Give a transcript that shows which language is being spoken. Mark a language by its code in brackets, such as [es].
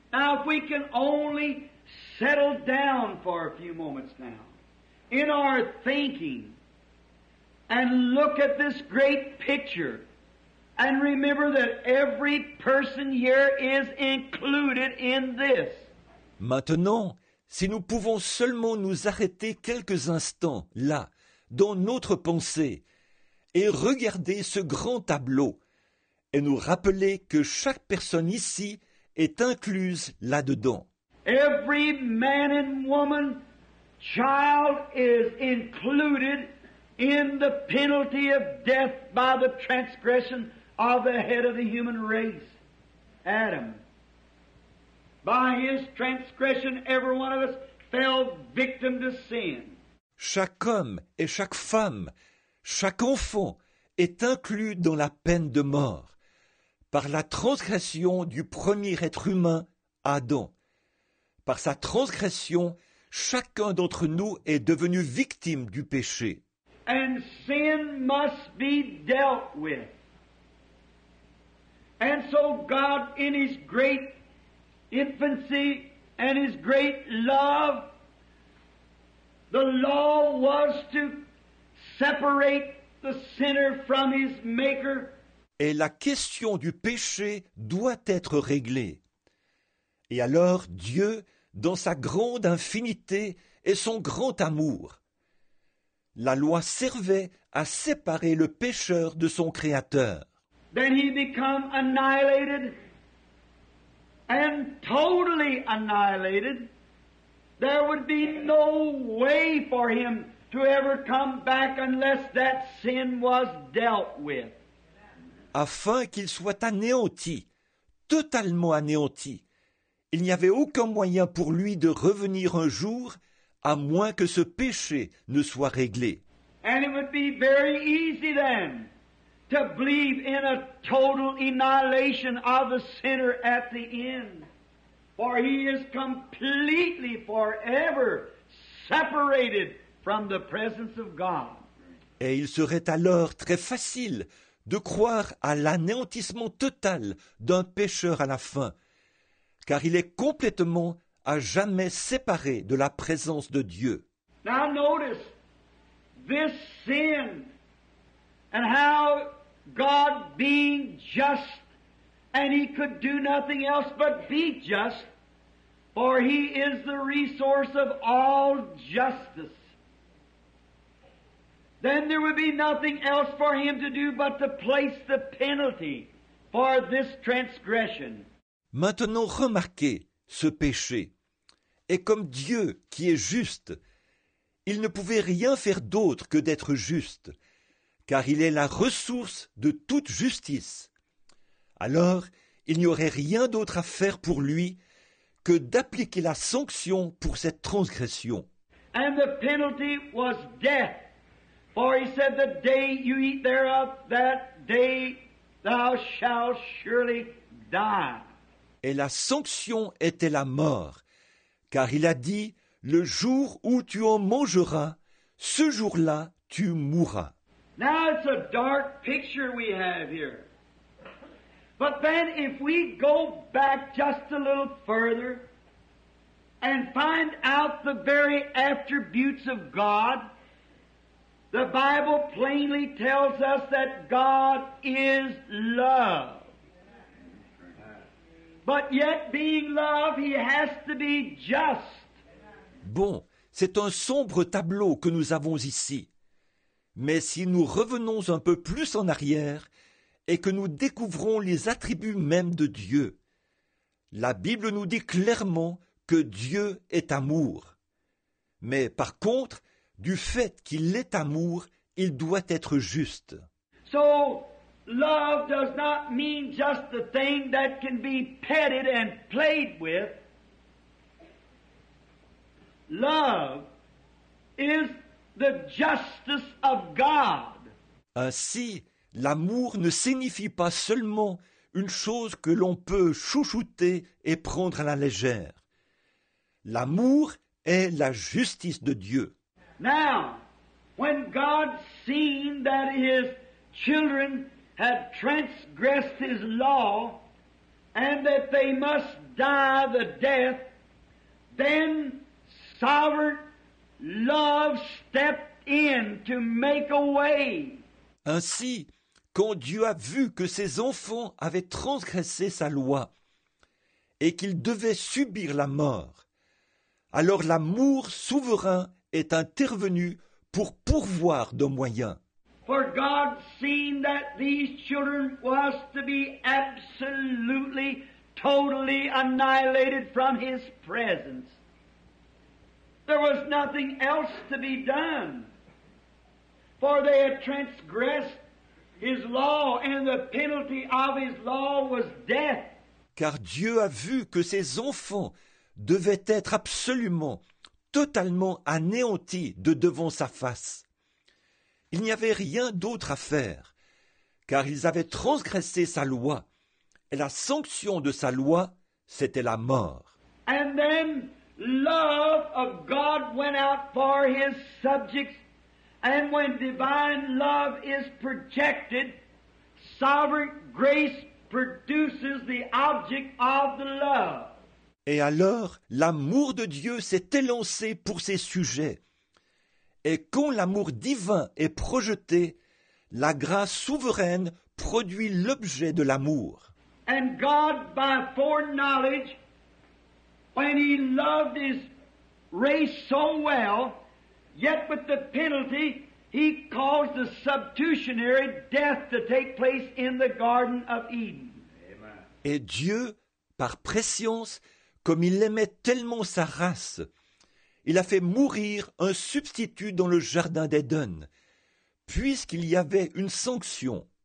[en] Now, if we can only settle down for a few moments now in our thinking and look at this great picture and remember that every person here is included in this. [fr] Maintenant, si nous pouvons seulement nous arrêter quelques instants là, dans notre pensée, et regarder ce grand tableau, et nous rappeler que chaque personne ici est incluse là-dedans. [en] Every man and woman, child is included in the penalty of death by the transgression of the head of the human race, Adam. By his transgression, every one of us fell victim to sin. [fr] Chaque homme et chaque femme, chaque enfant est inclus dans la peine de mort par la transgression du premier être humain, Adam. Par sa transgression, chacun d'entre nous est devenu victime du péché. [en] And sin must be dealt with. And so God, in his great infancy and his great love, the law was to separate the sinner from his maker. [fr] Et la question du péché doit être réglée. Et alors Dieu, dans sa grande infinité et son grand amour, la loi servait à séparer le pécheur de son créateur. [en] Then he became annihilated and totally annihilated. There would be no way for him to ever come back unless that sin was dealt with. [fr] Afin qu'il soit anéanti, totalement anéanti, il n'y avait aucun moyen pour lui de revenir un jour à moins que ce péché ne soit réglé. [en] And it would be very easy then to believe in a total annihilation of the sinner at the end. For he is completely, forever, separated from the presence of God. [fr] Et il serait alors très facile de croire à l'anéantissement total d'un pécheur à la fin, car il est complètement à jamais séparé de la présence de Dieu. [en] Now notice this sin and how God being just and he could do nothing else but be just. For he is the resource of all justice. Then there would be nothing else for him to do but to place the penalty for this transgression. [fr] Maintenant remarquez ce péché. Et comme Dieu qui est juste, il ne pouvait rien faire d'autre que d'être juste, car il est la ressource de toute justice. Alors, il n'y aurait rien d'autre à faire pour lui que d'appliquer la sanction pour cette transgression. [en] And the penalty was death. For he said, the day you eat thereof, that day thou shalt surely die. [fr] Et la sanction était la mort, car il a dit, le jour où tu en mangeras, ce jour-là tu mourras. [en] Now it's a dark picture we have here. But then if we go back just a little further and find out the very attributes of God, the Bible plainly tells us that God is love. But yet being love, he has to be just. [fr] Bon, c'est un sombre tableau que nous avons ici. Mais si nous revenons un peu plus en arrière, et que nous découvrons les attributs même de Dieu. La Bible nous dit clairement que Dieu est amour. Mais par contre, du fait qu'il est amour, il doit être juste. [en] So, love does not mean just the thing that can be petted and played with. Love is the justice of God. [fr] Ainsi, l'amour ne signifie pas seulement une chose que l'on peut chouchouter et prendre à la légère. L'amour est la justice de Dieu. [en] Now, when God seen that his children had transgressed his law, and that they must die the death, then sovereign love stepped in to make a way. [fr] Ainsi, quand Dieu a vu que ses enfants avaient transgressé sa loi et qu'ils devaient subir la mort, alors l'amour souverain est intervenu pour pourvoir de moyens. [en] For God seeing that these children was to be absolutely, totally annihilated from His presence. There was nothing else to be done. For they had transgressed His law, and the penalty of His law was death. [fr] Car Dieu a vu que ses enfants devaient être absolument, totalement anéantis de devant sa face. Il n'y avait rien d'autre à faire, car ils avaient transgressé sa loi, et la sanction de sa loi, c'était la mort. [en] And then love of God went out for His subjects, and when divine love is projected, sovereign grace produces the object of the love. [fr] Et alors, l'amour de Dieu s'est élancé pour ses sujets. Et quand l'amour divin est projeté, la grâce souveraine produit l'objet de l'amour. [en] And God, by foreknowledge, when He loved His race so well, yet with the penalty, He caused the substitutionary death to take place in the Garden of Eden. Amen. [fr] Et Dieu, par prescience, comme il aimait tellement sa race, il a fait mourir un substitut dans le jardin d'Éden, puisqu'il y avait une sanction.